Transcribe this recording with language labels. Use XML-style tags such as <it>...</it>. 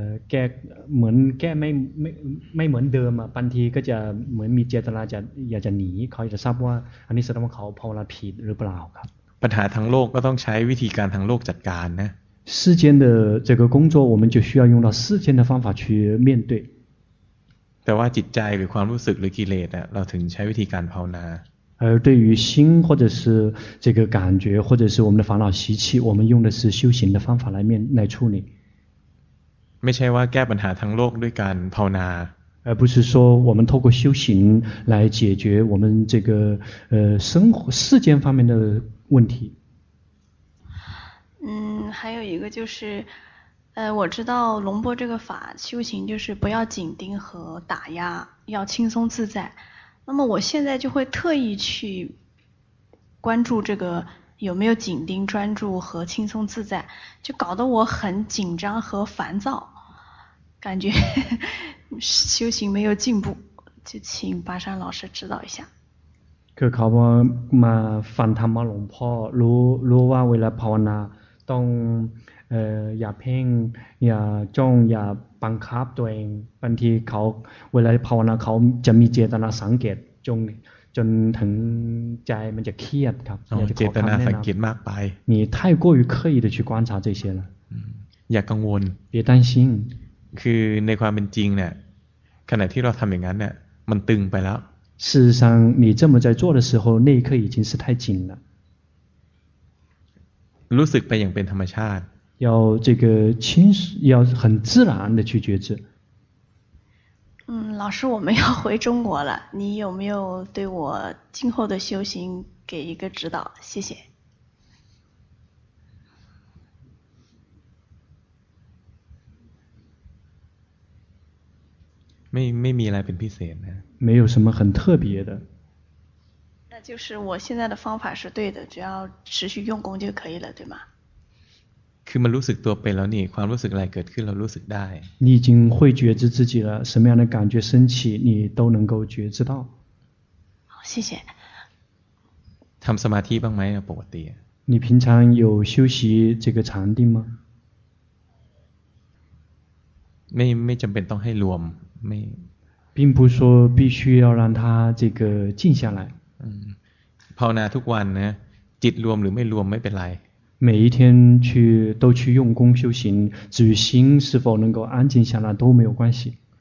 <th>แก้เหมือนแก้ไม่เหมือนเดิมอ่ะบางทีก็จะเหมือนมีเจตนาจะอยากจะหนีเขาจะทราบว่าอันนี้แสดงว่าเขาภาวนาผิดหรือเปล่าครับ ปัญหาทางโลกก็ต้องใช้วิธีการทางโลกจัดการนะ</th> <zh>世间的这个工作我们就需要用到世间的方法去面对</zh> <th>แต่ว่าจิตใจหรือความรู้สึกหรือกิเลสอ่ะเราถึงใช้วิธีการภาวนา</th> <zh>而对于心或者是这个感觉或者是我们的烦恼习气我们用的是修行的方法来处理</zh> <th>ไม่ใช่ว่าแก้ปัญหาทั้งโลกด้วยการภาวนา</th> <zh>而不是说我们透过修行来解决我们这个生活世间方面的问题。还有一个就是，我知道龙波这个法修行就是不要紧盯和打压，要轻松自在。那么我现在就会特意去关注这个有没有紧盯、专注和轻松自在，就搞得我很紧张和烦躁，感觉修行没有进步，就请巴山老师指导一下。</zh> <th>คือเขามาฟังธรรมหลวงพ่อรู้ว่าเวลาภาวนาต้องอย่าเพ่งอย่าจ้องอย่าบังคับตัวเองบางทีเขาเวลาภาวนาเขาจะมีเจตนาสังเกตจนถึงใจมันจะเครียดครับ เจตนาสังเกตมากไป</th> <zh>你太过于刻意的去观察这些了</zh> <th>อย่ากังวล</th> <zh>别担心</zh> <th>คือในความเป็นจริงเนี่ยขณะที่เราทำอย่างนั้นเนี่ยมันตึงไปแล้ว</th> <zh>事实上你这么在做的时候那一刻已经是太紧了</zh> <th>รู้สึกไปอย่างเป็นธรรมชาติ</th> <zh>要这个轻松要很自然的去觉知老师我们要回中国了你有没有对我今后的修行给一个指导谢谢没来本地写呢没有什么很特别的那就是我现在的方法是对的只要持续用功就可以了对吗</zh> <th>คือมันรู้สึกตัวไปแล้วนี่ความรู้สึกอะไรเกิดขึ้นเรารู้สึกได้</th> <zh>你已经会觉知自己了什么样的感觉升起你都能够觉知到好谢谢</zh> <th>ทำสมาธิบ้างไหมปกติ</th> <zh>你平常有休息这个禅定吗</zh> <th>ไม่จำเป็นต้องให้รวมไม่</th> <zh>并不说必须要让它这个静下来</zh> <th>ภาวนาทุกวันนะจิตรวมหรือไม่รวมไม่เป็นไร</th> <zh>每一天都去用功修行，至于心是否能够安静下来都没有关系。</zh>